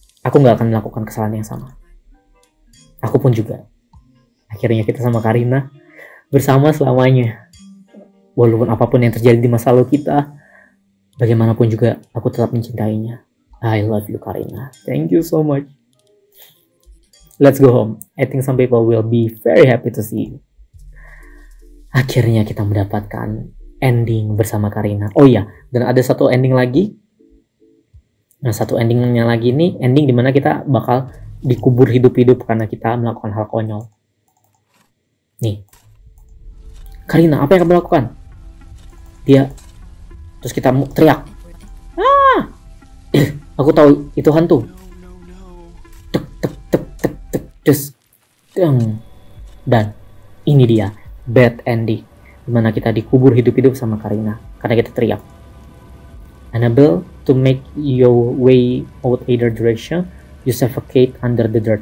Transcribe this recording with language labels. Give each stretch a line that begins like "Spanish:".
Indonesian: Aku gak akan melakukan kesalahan yang sama. Aku pun juga. Akhirnya kita sama Karina bersama selamanya. Walaupun apapun yang terjadi di masa lalu kita, bagaimanapun juga aku tetap mencintainya.
English: I love you, Karina. Thank you so much. Let's go home. I think some people will be very happy to see you.
Indonesian: Akhirnya kita mendapatkan ending bersama Karina. Oh iya, dan ada satu ending lagi. Nah, satu endingnya lagi ini ending dimana kita bakal dikubur hidup-hidup karena kita melakukan hal konyol. Nih. Karina, apa yang kamu lakukan? Dia terus kita teriak. Ah! Aku tahu itu hantu. Tek tek tek tek tek des. Deng. Dan ini dia bad ending di mana kita dikubur hidup-hidup sama Karina karena kita teriak.
English: Unable to make your way out either direction, you suffocate under the dirt.